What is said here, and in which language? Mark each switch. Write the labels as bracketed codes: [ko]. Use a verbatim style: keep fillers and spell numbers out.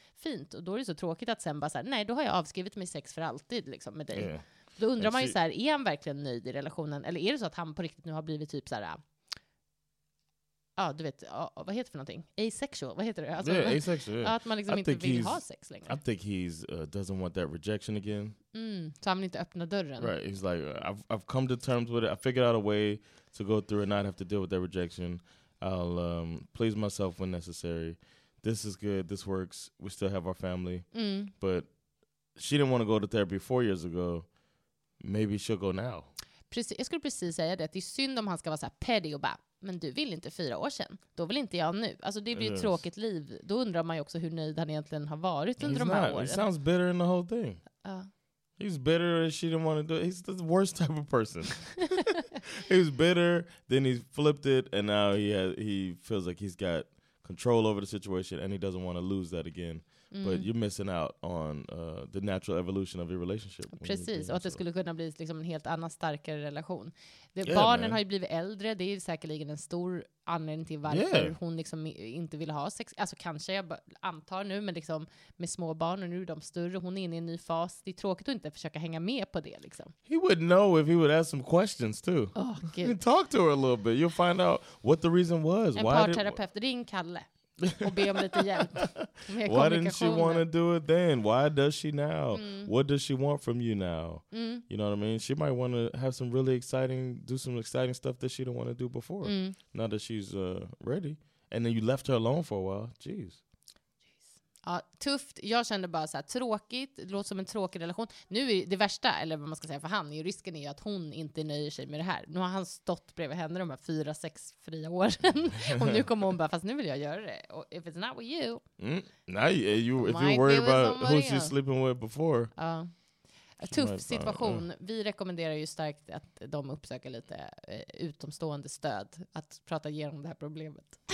[sv] Fint, och då är det så tråkigt att sen bara så här, nej, då har jag avskrivit mig sex för alltid liksom, med dig. Yeah. Då undrar man ju så här, är han verkligen nöjd i relationen? Eller är det så att han på riktigt nu har blivit typ så här... Ja, du vet, vad heter det för någonting? Asexual, vad heter det? [en] Alltså, yeah, asexual, yeah. [sv] Att man liksom I inte vill ha sex längre. [en] I think he's uh, doesn't want that rejection again. [sv] Mm, så han vill inte öppna dörren. [en] Right, he's like, I've, I've come to terms with it. I figured out a way to go through and not have to deal with that rejection. I'll um, please myself when necessary. This is good, this works. We still have our family. Mm. But she didn't want to go to therapy four years ago. Maybe she'll go now. [sv] Precis, jag skulle precis säga det. Det är synd om han ska vara så här petty och bara, men du vill inte fyra år sedan. Då vill inte jag nu. Alltså det blir yes. ett tråkigt liv. Då undrar man ju också hur nöjd han egentligen har varit under [en] he's [sv] de här [en] not. [sv] åren. [en] He sounds bitter in the whole thing. Uh. He's bitter as she didn't want to do it. He's the worst type of person. He was bitter, then he flipped it, and now he has, he feels like he's got control over the situation, and he doesn't want to lose that again. Mm. But you're missing out on uh, the natural evolution of your relationship. [sv] Precis, och att det skulle kunna bli liksom en helt annan, starkare relation. Det, yeah, barnen man. har ju blivit äldre, det är säkerligen en stor anledning till varför yeah. hon liksom inte vill ha sex. Alltså kanske, jag bara antar nu, men liksom med små barn och nu är de större, hon är inne i en ny fas. Det är tråkigt att inte försöka hänga med på det liksom. [en] He would know if he would ask some questions too. Oh, you can talk to her a little bit. You'll find out what the reason was. [sv] En parterapeut, ring Kalle. och be om lite hjälp. [en] Why didn't she want to do it then? Why does she now? Mm. What does she want from you now? Mm. You know what I mean? She might want to have some really exciting, do some exciting stuff that she didn't want to do before. Mm. Now that she's uh, ready. And then you left her alone for a while. Jeez. [sv] Ja, tufft. Jag kände bara så här, tråkigt. Det låter som en tråkig relation. Nu är det värsta, eller vad man ska säga för han, är risken är ju att hon inte nöjer sig med det här. Nu har han stått bredvid henne de här fyra, sex fria åren. Och nu kommer hon bara, fast nu vill jag göra det. [en] Och if it's not with you. Mm. Now you, if you're worried about who she's sleeping with before. [sv] Ja. Tuff situation. Vi rekommenderar ju starkt att de uppsöker lite eh, utomstående stöd. Att prata igenom det här problemet.